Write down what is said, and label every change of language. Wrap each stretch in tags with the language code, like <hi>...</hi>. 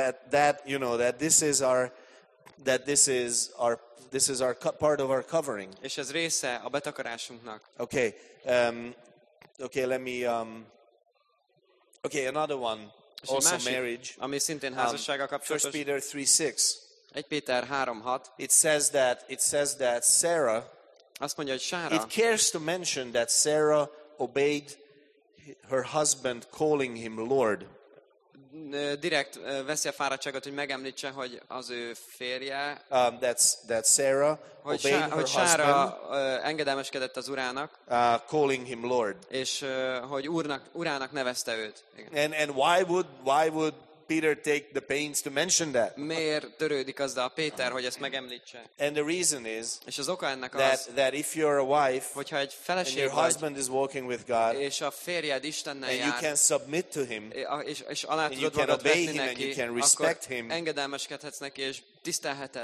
<en>That you know that this is our this is our part of our covering.</en> <hu>És ez része a betakarásunknak.</hu> <en>Okay. Okay, another one. Also</en> <hu>másik,</hu> <en>marriage.</en> <hu>Ami szintén házassággal kapcsolatos.</hu> <en>1 Peter 3:6.</en> <hu>Péter 3:6.</hu> <en>It says that Sarah,</en> <hu>azt mondja, hogy Sára,</hu> <en>it cares to mention that Sarah obeyed her husband calling him Lord.</en> <hu>Direkt veszi a fáradtságot, hogy megemlítse, hogy az ő férje.</hu> <en>That Sarah obeyed her</en> <hu>hogy Sára engedelmeskedett az urának.</hu> <en>Calling him Lord.</en> <hu>És hogy urának nevezte őt. Igen.</hu> <en>And why would Peter take the pains to mention that?</en> <hu>Miért törődik azzal a Péter, hogy ezt megemlítse?</hu> <en>And the reason is,</en> <hu>és az oka ennek</hu> <en>that if you're a wife,</en> <hu>hogyha egy feleség</hu> <en>and your husband</en> <hu>vagy,</hu> <en>is walking with God,</en> <hu>és a férjed Istennel</hu> <en>and</en> <hu>jár,</hu> <en>you can submit to him,</en> <hu>és alá</hu> <en>and you can obey him</en> <hu>neki,</hu> <en>and you can respect him,</en> <hu>engedelmeskedhetsz neki, és tisztelheted.</hu>